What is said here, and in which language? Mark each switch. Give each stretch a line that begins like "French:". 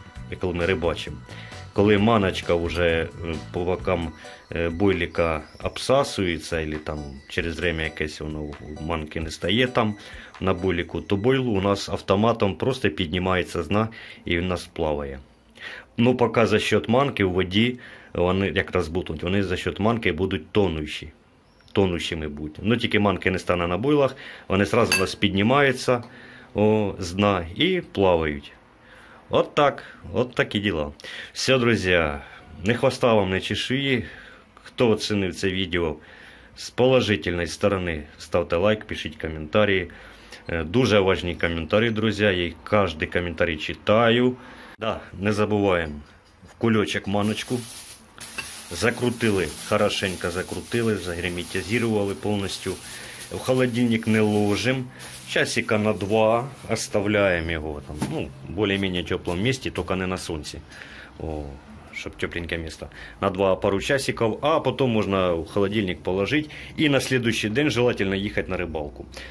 Russian: и когда мы рыбачим, когда маночка уже по бокам бойлика обсасывается, или там через время какое-то оно манки
Ukrainian: не стає
Russian: там на бойлику, то бойл у нас автоматом просто поднимается с дна и у нас плавает. Но пока за счет манки в воде они как раз будут, они за счет манки будут тонущими будут. Но только манки не стане на бойлах, они сразу у нас поднимаются с дна и плавают.
Ukrainian: Вот так, вот такі діла. Все, друзі, не хвоста вам, не чешуї. Хто оцінив це відео з положительної сторони, ставте лайк, пишіть коментарі. Дуже важні коментарі, друзі, я кожен коментар читаю. Да, не забуваємо, в кульочок маночку. Закрутили, хорошенько закрутили, загерметизували повністю.
Russian: В холодильник не ложим, часика на два оставляем его там, ну, более-менее теплом месте, только не на солнце, чтобы тепленькое место, на два пару часиков, а потом можно в холодильник положить и на следующий день желательно ехать на рыбалку.